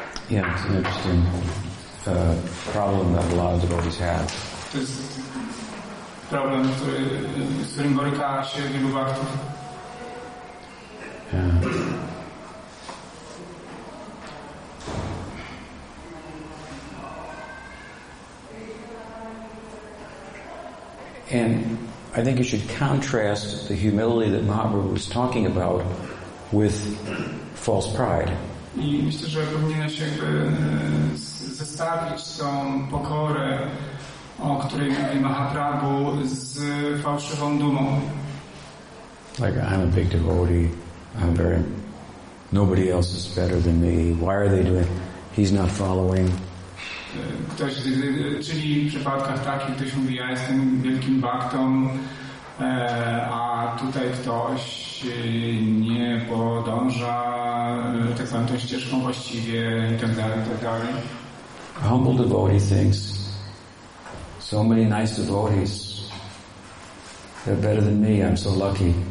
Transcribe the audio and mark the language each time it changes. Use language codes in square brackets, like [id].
[en] Yeah, it's an interesting problem that a lot of devotees have. [pl] Problem, z którym boryka się wielu bhaktów. [en] And I think you should contrast the humility that Mahaprabhu was talking about with false pride. [pl] I myślę, że powinieneś jakby zestawić tą pokorę, o której mówi Mahaprabhu, z fałszywą dumą. [en] Like, I'm a big devotee, I'm very... Nobody else is better than me. Why are they doing... He's not following. [pl] Ktoś, czyli w przypadkach takich ktoś mówi, ja jestem wielkim baktą, a tutaj ktoś nie podąża tak samo tą ścieżką właściwie i tak dalej, i tak dalej. [en] A humble devotee thinks so many nice devotees, they're better than me, I'm so lucky.